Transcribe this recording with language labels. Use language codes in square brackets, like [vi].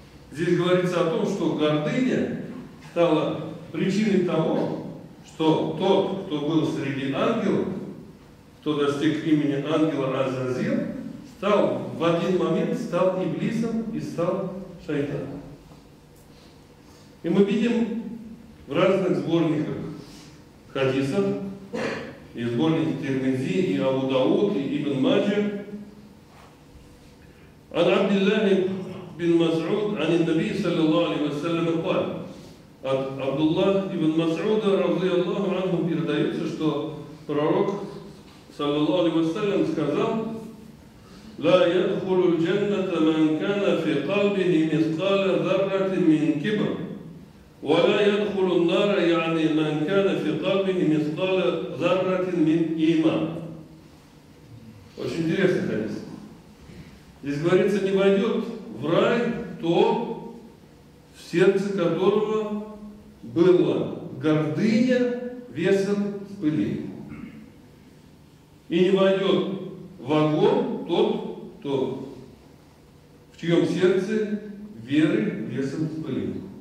[ru] Здесь говорится о том, что гордыня стала причиной того, что тот, кто был среди ангелов, кто достиг имени ангела Азазил, стал в один момент стал иблисом и стал шайтаном. И мы видим в разных сборниках хадисов, и сборники Тирмизи, и Абу Дауд, и Ибн Маджа, [ar] عن عبد الله بن مسعود عن النبي صلى الله عليه وسلم قال عبد الله بن مسعود رضي الله عنه [ru] передается, что пророк [ar] صلى الله عليه وسلم [ru] сказал [ar] لا يدخل الجنة من كان في قلبه مثقال ذرة من كبر ولا يدخل النار يعني من كان في قلبه مثقال ذرة من إيمان. [ru] Очень интересный хадис. Здесь говорится, не войдет в рай то, в сердце которого была гордыня весом пыли. И не войдет в огонь тот, кто, в чьем сердце веры весом пыли.